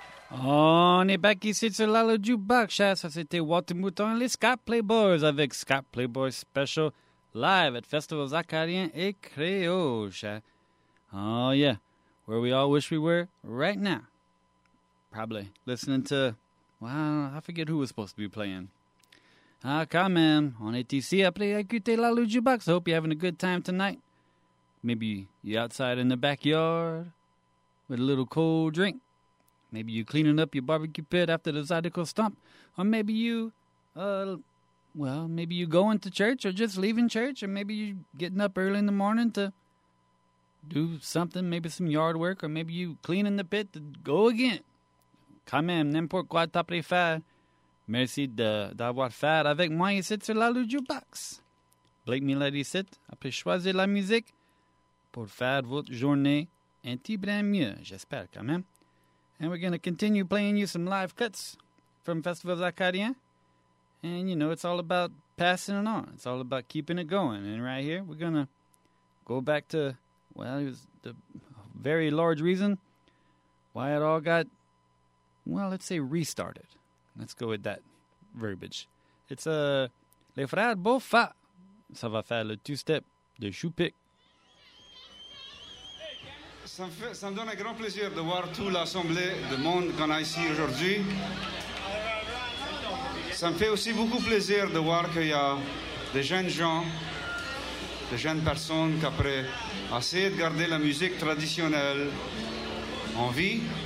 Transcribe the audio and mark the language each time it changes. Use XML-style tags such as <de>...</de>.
<fr>On est back ici sur la le jukebox. Ça, c'était Walter Mouton et les Scott Playboys avec Scott Playboys Special live at Festival Zacharien et Créoche.</fr> <en>Oh, yeah. Where we all wish we were right now. Probably listening to, well, I forget who was supposed to be playing.</en> <fr>Ah, quand même. On est ici après écouter la le jukebox.</fr> <en>I hope you're having a good time tonight. Maybe you're outside in the backyard with a little cold drink. Maybe you're cleaning up your barbecue pit after the Zydeco stomp. Or maybe you, maybe you're going to church or just leaving church. Or maybe you're getting up early in the morning to do something, maybe some yard work. Or maybe you're cleaning the pit to go again.</en> <fr>Quand même, n'importe quoi, t'as préféré. Merci d'avoir fait avec moi ici sur la le jukebox. Blake Milady sit, après choisir la musique pour faire votre journée un petit brin mieux. J'espère quand même.</fr> <en>And we're going to continue playing you some live cuts from Festival Zacharien. And, you know, it's all about passing it on. It's all about keeping it going. And right here, we're going to go back to, well, it was the very large reason why it all got, well, let's say restarted. Let's go with that verbiage. It's Les Frères Beaufa.</en> <fr>Ça va faire le two-step de Choupic. Ça me donne un grand plaisir de voir toute l'assemblée de monde qu'on a ici aujourd'hui. Ça me fait aussi beaucoup plaisir de voir qu'il y a des jeunes gens, des jeunes personnes qui, après essayer de garder la musique traditionnelle en vie.</fr>